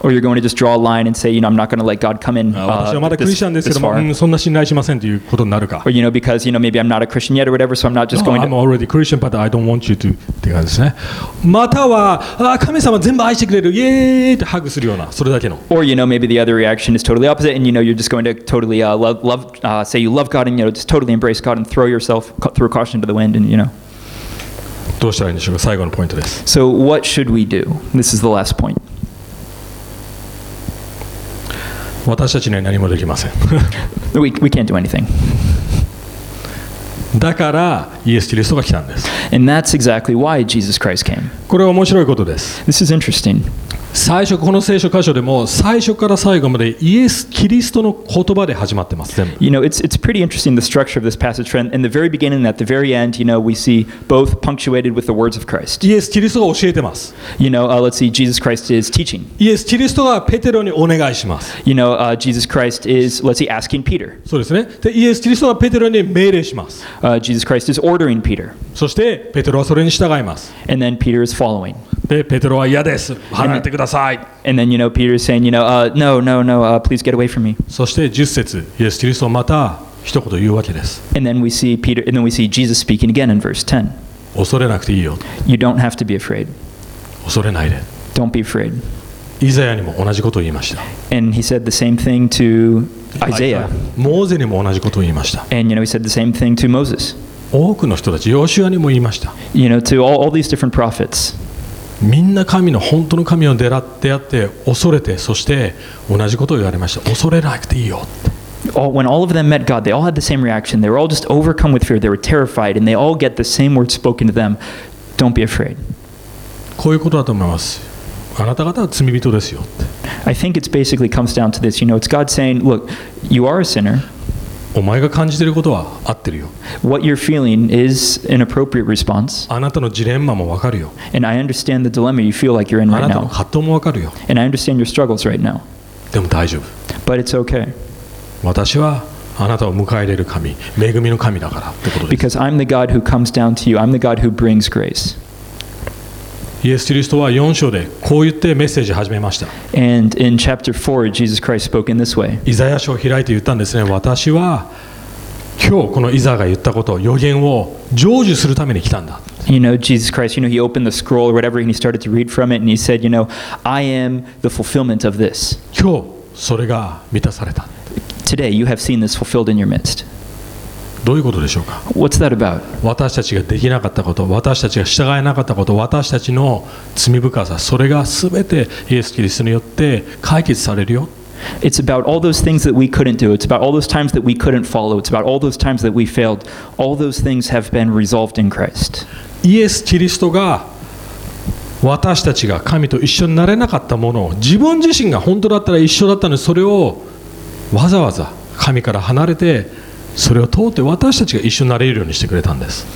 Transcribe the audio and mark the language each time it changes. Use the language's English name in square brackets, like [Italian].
[English] Or you're going to just draw a line and say, you know, I'm not going to let God come in this far. [Japanese] 私はまだクリスチャンですけども、そんな信頼しませんということになるか。 [English] Or, you know, because, you know, maybe I'm not a Christian yet or whatever, so I'm not just going to... No, I'm already Christian, but I don't want you to... [Japanese] って感じですね。または、神様全部愛してくれる、イエーイってハグするような、それだけの。 [English] Or, you know, maybe the other reaction is totally opposite, and you know, you're just going to totally say you love God, and you know, just totally embrace God and throw yourself, throw caution to the wind, and you know. [Japanese] どうしたらいいんでしょうか。最後のポイントです。 [English] So what should we do? This is the last point. [Japanese] 私たちには何もできません。 [English] we can't do anything. [Japanese] だからイエス・キリストが来たんです。 [English] And that's exactly why Jesus Christ came. [Japanese] これは面白いことです。 [English] This is interesting. [Japanese] 最初この聖書箇所でも最初から最後までイエス・キリストの言葉で始まってます。全部。 [English] You know, it's pretty interesting the structure of this passage. In the very beginning and at the very end, you know, we see both punctuated with the words of Christ. [Japanese] イエス・キリストが教えてます。 [English] You know, let's see, Jesus Christ is teaching. [Japanese] イエス・キリストがペテロにお願いします。 [English] You know, Jesus Christ is, let's see, asking Peter. [Japanese] そうですね。で、イエス・キリストがペテロに命令します。 [English] Jesus Christ is ordering Peter. [Japanese] そして、ペテロはそれに従います。 [English] And then Peter is following. [Japanese] でペテロは嫌です。離れてください。 [English] And then, you know, Peter is saying, you know, no, please get away from me. [Japanese] そして10節、イエス・キリストまた一言言うわけです。 [English] And then we see Peter, and then we see Jesus speaking again in verse 10. [Japanese] 恐れなくていいよ。 [English] You don't have to be afraid. [Japanese] 恐れないで。 [English] Don't be afraid. [Japanese] イザヤにも同じことを言いました。 [English] And he said the same thing to Isaiah. [Japanese] モーゼにも同じことを言いました。 [English] And, you know, he said the same thing to Moses. [Japanese] 多くの人たち、ヨシュアにも言いました。 [English] You know, to all these different prophets. [Japanese] みんな神の本当の神を狙ってやって恐れてそして同じことを言われました恐れなくていいよって [English] When all of them met God, they all had the same reaction. They were all just overcome with fear. They were terrified, and they all get the same word spoken to them. Don't be afraid. [Japanese] こういうことだと思います。あなた方は罪人ですよって。 [English] I think it basically comes down to this. You know, it's God saying, "Look, you are a sinner." [Japanese] お前が感じていることは合ってるよ。 [English] What you're feeling is an appropriate response. [Japanese] あなたのジレンマもわかるよ。 [English] And I understand the dilemma you feel like you're in right now. [Japanese] あなたの葛藤もわかるよ。 [English] And I understand your struggles right now. [Japanese] でも大丈夫。 [English] But it's okay. [Japanese] 私はあなたを迎え入れる神、恵みの神だからってことです。 [English] Because I'm the God who comes down to you. I'm the God who brings grace. [Japanese] イエス・キリストは4章でこう言ってメッセージ始めました。 [English] And in chapter 4, Jesus Christ spoke in this way. [Japanese] イザヤ書を開いて言ったんですね。私は今日このイザが言ったこと、予言を成就するために来たんだ。 [English] You know, Jesus Christ, you know, he opened the scroll or whatever and he started to read from it and he said, you know, I am the fulfillment of this. [Japanese] 今日それが満たされた。 [English] Today, you have seen this fulfilled in your midst. [Japanese] どういうことでしょうか。 [English] What's that about? [Japanese] 私たちができなかったこと、私たちが従えなかったこと、私たちの罪深さ、それがすべてイエス・キリストによって解決されるよ。 [English] It's about all those things that we couldn't do. It's about all those times that we couldn't follow. It's about all those times that we failed. All those things have been resolved in Christ. [Japanese] イエス・キリストが私たちが神と一緒になれなかったものを、自分自身が本当だったら一緒だったのに、それをわざわざ神から離れて、それを通って私たちが一緒になれるようにしてくれたんです。